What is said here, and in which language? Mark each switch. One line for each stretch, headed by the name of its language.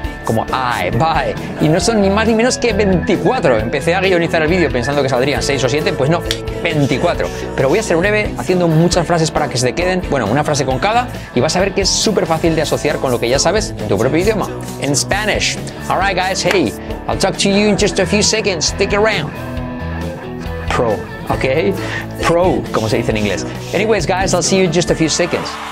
Spanish: Como I, by, y no son ni más ni menos que 24. Empecé a guionizar el vídeo pensando que saldrían 6 o 7, pues no, 24. Pero voy a ser breve, haciendo muchas frases para que se te queden, bueno, una frase con cada, y vas a ver que es súper fácil de asociar con lo que ya sabes en tu propio idioma, en Spanish.
English: Alright guys, hey, I'll talk to you in just a few seconds, stick around.
Spanish: Pro, ok, pro, como se dice en inglés.
English: Anyways guys, I'll see you in just a few seconds.